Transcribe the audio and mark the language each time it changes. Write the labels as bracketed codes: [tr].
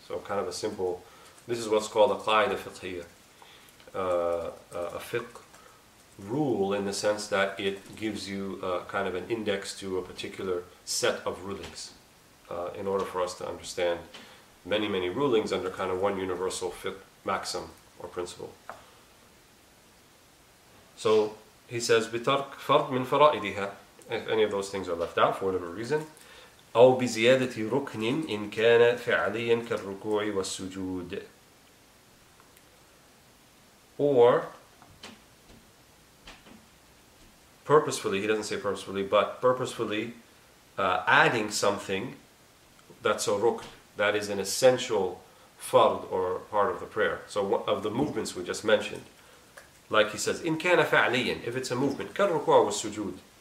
[en] So kind of a simple, this is what's called a qaida fiqhiyya, a fiqh rule, in the sense that it gives you kind of an index to a particular set of rulings. In order for us to understand many, many rulings under kind of one universal fiqh maxim or principle. So he says, [ar] بِتَرْكْ فَرْضْ مِنْ فَرَائِدِهَا, [en] if any of those things are left out for whatever reason, [ar] أو بزيادة ركن إن كان فعليا كالركوع والسجود. [en] Or purposefully, he doesn't say purposefully, but purposefully adding something that's a rukn, that is an essential fard or part of the prayer. So one of the movements we just mentioned, like he says, [ar] in kana fa'liyan, [en] if it's a movement, [ar] kal rukwa wa sujood.